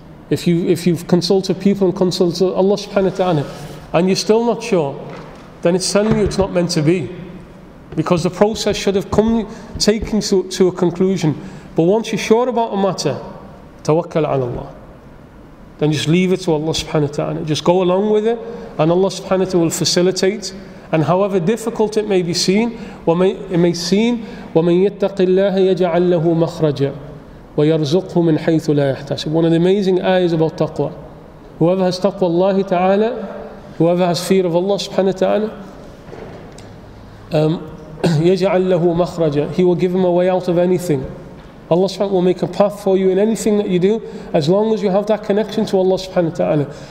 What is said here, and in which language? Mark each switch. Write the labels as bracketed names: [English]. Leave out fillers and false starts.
[English] If you've consulted people and consulted Allah subhanahu wa ta'ala and you're still not sure, then it's telling you it's not meant to be. Because the process should have come taken to a conclusion. But once you're sure about a matter, [Arabic] tawakkal ala Allah. [English] Then just leave it to Allah subhanahu wa ta'ala. Just go along with it, and Allah subhanahu wa ta'ala will facilitate. And however difficult it may be seen, [Arabic] وَمَنْ يَتَّقِ اللَّهَ يَجْعَلْ لَهُ مَخْرَجًا وَيَرْزُقْهُ مِنْ حَيْثُ لَا يَحْتَسِبُ. [English] One of the amazing ayahs about taqwa. Whoever has taqwa Allah ta'ala, whoever has fear of Allah subhanahu wa ta'ala, [Arabic] يَجْعَلْ لَهُ مَخْرَجًا, [English] He will give him a way out of anything. Allah subhanahu wa ta'ala will make a path for you in anything that you do, as long as you have that connection to Allah subhanahu wa ta'ala.